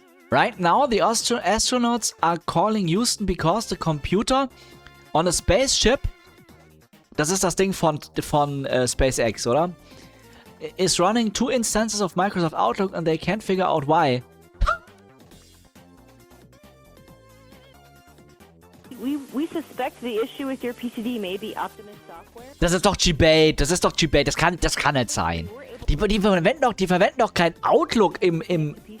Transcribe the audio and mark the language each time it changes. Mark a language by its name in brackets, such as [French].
[English] Right now, the astronauts are calling Houston because the computer on a spaceship. [German] Das ist das Ding von SpaceX, oder? [English] Is running 2 instances of Microsoft Outlook and they can't figure out why. We suspect the issue with your PCD may be Optimus software. [German] Das ist doch G-Bait. Das kann nicht sein. Die verwenden doch kein Outlook im